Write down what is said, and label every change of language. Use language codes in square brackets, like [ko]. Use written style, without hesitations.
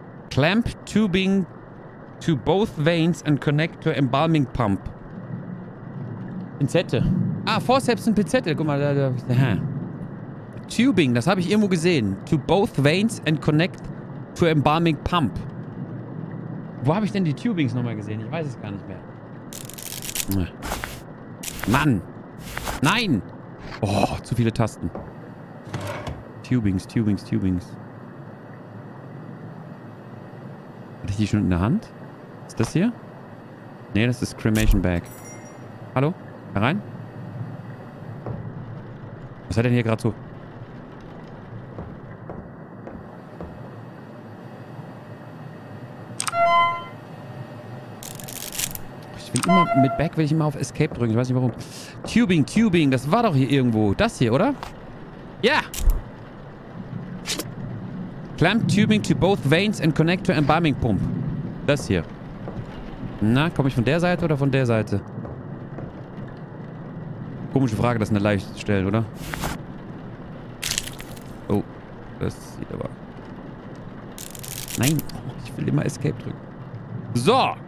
[en] Clamp tubing to both veins and connect to embalming pump. [de] Pinzette. Ah, Forceps und Pinzette. Guck mal, da habe ich... Tubing, das habe ich irgendwo gesehen. [en] To both veins and connect to embalming pump. [de] Wo habe ich denn die Tubings nochmal gesehen? Ich weiß es gar nicht mehr. Mann! Nein! Oh, zu viele Tasten. Tubings, Tubings, Tubings. Hatte ich die schon in der Hand? Ist das hier? Nee, das ist Cremation Bag. Hallo? Herein? Was hat denn hier gerade so... Mit Back will ich immer auf Escape drücken. Ich weiß nicht warum. Tubing, Tubing. Das war doch hier irgendwo. Das hier, oder? Ja! Yeah. [en] Clamp Tubing to both veins and connect to embalming pump. [de] Das hier. Na, komme ich von der Seite oder von der Seite? Komische Frage, das eine leicht stellen, oder? Oh. Das sieht aber... Nein. Ich will immer Escape drücken. So!